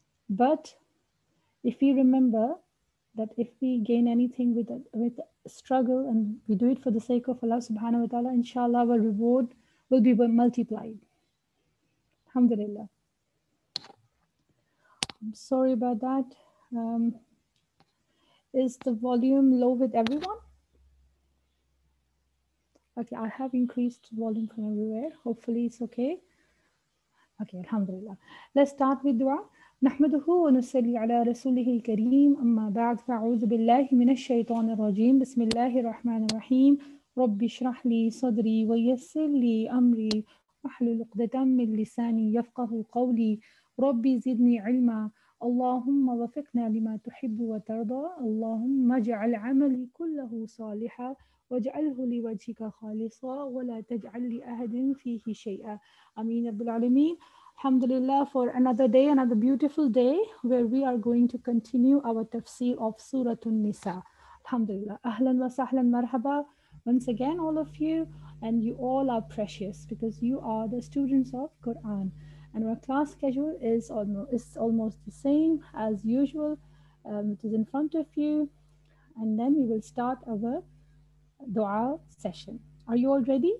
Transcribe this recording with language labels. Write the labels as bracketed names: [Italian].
[English] But if we remember that if we gain anything with struggle and we do it for the sake of Allah subhanahu wa ta'ala, inshallah, our reward will be multiplied. Alhamdulillah. I'm sorry about that. Is the volume low with everyone? Okay, I have increased volume from everywhere. Hopefully it's okay. Okay, alhamdulillah. Let's start with dua. [Arabic] نحمده ونصلي على رسوله الكريم أما بعد فأعوذ بالله من الشيطان الرجيم بسم الله الرحمن الرحيم رب اشرح لي صدري ويسر لي أمري واحلل عقدة من لساني يفقه قولي رب زدني علما اللهم وفقنا لما تحب وترضى اللهم اجعل عملي كله صالحا واجعله لوجهك خالصا ولا تجعل لأحد فيه شيئا أمين رب العالمين [English] Alhamdulillah for another day, another beautiful day where we are going to continue our tafsir of Surah Nisa. Alhamdulillah. Ahlan wa sahlan marhaba. Once again, all of you, and you all are precious because you are the students of Quran. And our class schedule is almost the same as usual. It is in front of you. And then we will start our dua session. Are you all ready?